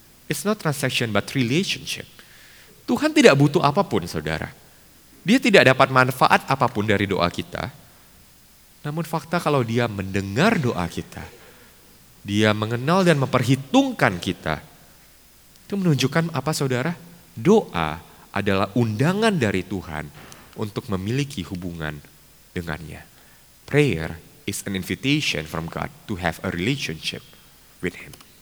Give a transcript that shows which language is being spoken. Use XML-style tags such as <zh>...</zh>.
<en>It's not transaction but relationship.</en> <id>Tuhan tidak butuh apapun saudara. Dia tidak dapat manfaat apapun dari doa kita. Namun fakta kalau dia mendengar doa kita, dia mengenal dan memperhitungkan kita, itu menunjukkan apa saudara? Doa adalah undangan dari Tuhan untuk memiliki hubungan dengannya.</id> <en>Prayer is an invitation from God to have a relationship with Him.</en>